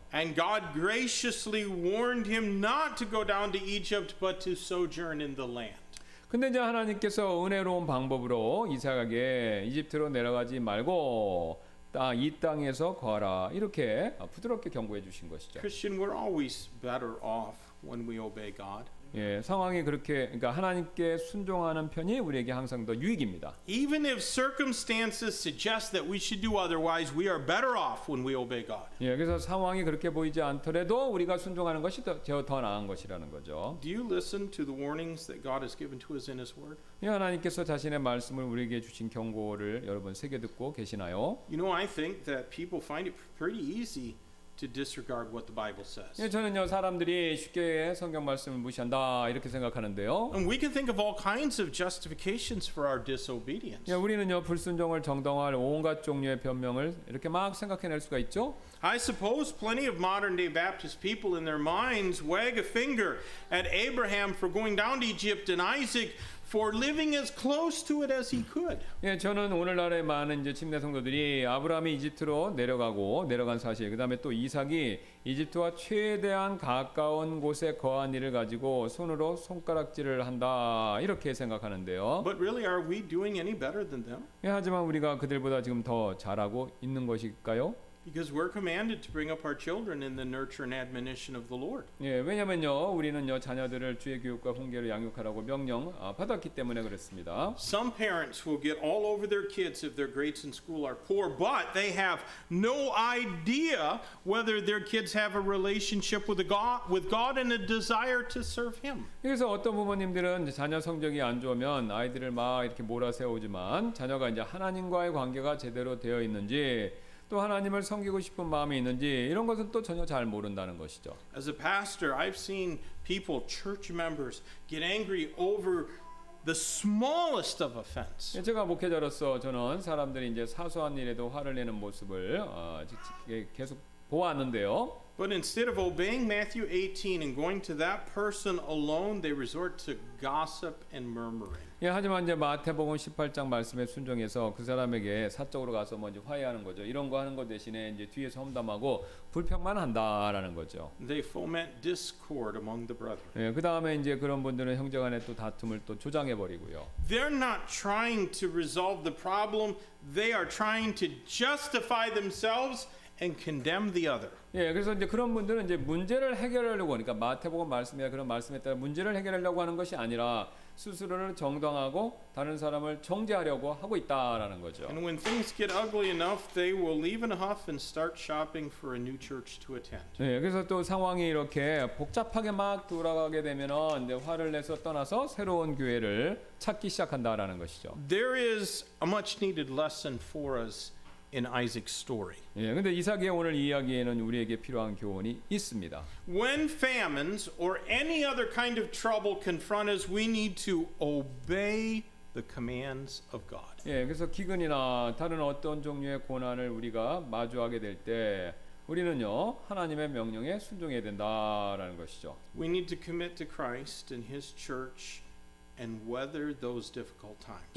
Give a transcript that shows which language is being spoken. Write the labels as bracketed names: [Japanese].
[English] And God graciously warned him not to go down to Egypt, but to sojourn in the land. [Korean] 근데 이제 하나님께서 은혜로운 방법으로 이삭에게 이집트로 내려가지 말고 이 땅에서 거하라 이렇게 부드럽게 경고해 주신 것이죠. [English] Christian, we're always better off when we obey God. [Korean] 예, 상황이 그렇게 그러니까 하나님께 순종하는 편이 우리에게 항상 더 유익입니다. [English] Even if circumstances suggest that we should do otherwise, we are better off when we obey God. [Korean] 예, 그래서 상황이 그렇게 보이지 않더라도 우리가 순종하는 것이 더 나은 것이라는 거죠. [English] Do you listen to the warnings that God has given to us in His Word? [Korean] 예, 하나님께서 자신의 말씀을 우리에게 주신 경고를 여러분 새겨 듣고 계시나요? [English] You know, I think that people find it pretty easy. To disregard what the Bible says. [Korean] 예, 저는요 사람들이 쉽게 성경 말씀을 무시한다 이렇게 생각하는데요. [English] And we can think of all kinds of justifications for our disobedience. [Korean] 예, 우리는요 불순종을 정당화할 온갖 종류의 변명을 이렇게 막 생각해낼 수가 있죠. [English] I suppose plenty of modern-day Baptist people in their minds wag a finger at Abraham for going down to Egypt and Isaac. For living as close to it as he could. [Korean] 예, 저는 오늘날에 많은 이제 침례 성도들이 아브라함이 이집트로 내려가고 내려간 사실, 그 다음에 또 이삭이 이집트와 최대한 가까운 곳에 거한 일을 가지고 손으로 손가락질을 한다 이렇게 생각하는데요. [English] But really, are we doing any better than them? [Korean] 예, 하지만 우리가 그들보다 지금 더 잘하고 있는 것일까요? [English] Because we're commanded to bring up our children in the nurture and admonition of the Lord. [Korean] 예, 왜냐면요, 우리는요 자녀들을 주의 교육과 훈계로 양육하라고 명령 받았기 때문에 그렇습니다. [English] Some parents will get all over their kids if their grades in school are poor, but they have no idea whether their kids have a relationship with God and a desire to serve Him. [Korean] 그래서 어떤 부모님들은 자녀 성적이 안 좋으면 아이들을 막 이렇게 몰아세우지만 자녀가 이제 하나님과의 관계가 제대로 되어 있는지. 또 하나님을 섬기고 싶은 마음이 있는지 이런 것은 또 전혀 잘 모른다는 것이죠. [English] As a pastor, I've seen people, church members, get angry over the smallest of offense. [Korean] 제가 목회자로서 저는 사람들이 이제 사소한 일에도 화를 내는 모습을 계속 보았는데요. [English] But instead of obeying Matthew 18 and going to that person alone, they resort to gossip and murmuring. [Korean] 예, 하지만 이제 마태복음 18장 말씀에 순종해서 그 사람에게 사적으로 가서 먼저 화해하는 거죠. 이런 거 하는 거 대신에 이제 뒤에서 험담하고 불평만 한다라는 거죠. [English] They foment discord among the brethren. [Korean] 예, 그다음에 이제 그런 분들은 형제 간에 또 다툼을 또 조장해 버리고요. [English] They're not trying to resolve the problem. They are trying to justify themselves and condemn the other. [Korean] 예, 그래서 이제 그런 분들은 이제 문제를 해결하려고 그러니까 마태복음 말씀이나 그런 말씀에 따라 문제를 해결하려고 하는 것이 아니라 스스로를 정당하고 다른 사람을 정죄하려고 하고 있다라는 거죠. [English] And when things get ugly enough, they will leave in a huff and start shopping for a new church to attend. [Korean] 네, 그래서 또 상황이 이렇게 복잡하게 막 돌아가게 되면은 이제 화를 내서 떠나서 새로운 교회를 찾기 시작한다라는 것이죠. [English] There is a much needed lesson for us in Isaac's story. [Korean] 예, 근데 이삭의 오늘 이야기에는 우리에게 필요한 교훈이 있습니다. [English] When famines or any other kind of trouble confront us, we need to obey the commands of God. [Korean] 예, 그래서 기근이나 다른 어떤 종류의 고난을 우리가 마주하게 될 때 우리는요, 하나님의 명령에 순종해야 된다라는 것이죠. [English] We need to commit to Christ and his church and weather those difficult times.